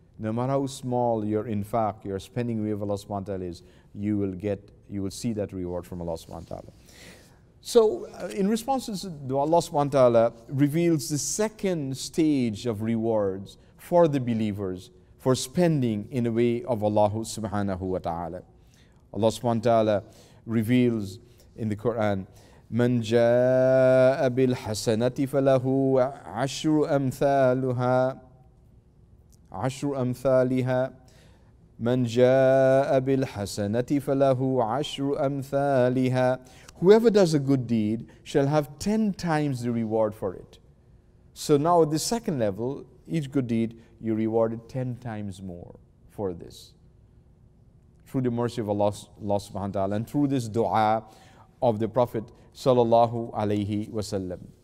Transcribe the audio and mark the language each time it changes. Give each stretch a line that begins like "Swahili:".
English: No matter how small your infaq, your spending way of Allah subhanahu wa ta'ala is, you will see that reward from Allah subhanahu wa ta'ala. So in response to dua, Allah subhanahu wa ta'ala reveals the second stage of rewards for the believers, for spending in the way of Allah subhanahu wa ta'ala. Allah subhanahu wa ta'ala reveals in the Quran,
Arabic: مَنْ جَاءَ بِالْحَسَنَةِ فَلَهُ عَشْرُ أَمْثَالُهَا عَشْرُ أَمْثَالِهَا مَنْ جَاءَ بِالْحَسَنَةِ فَلَهُ عَشْرُ أَمْثَالِهَا.
English: Whoever does a good deed shall have 10 times the reward for it. So now at the second level, each good deed, you rewarded 10 times more for this. Through the mercy of Allah subhanahu wa ta'ala and through this dua of the Prophet sallallahu alayhi wasallam.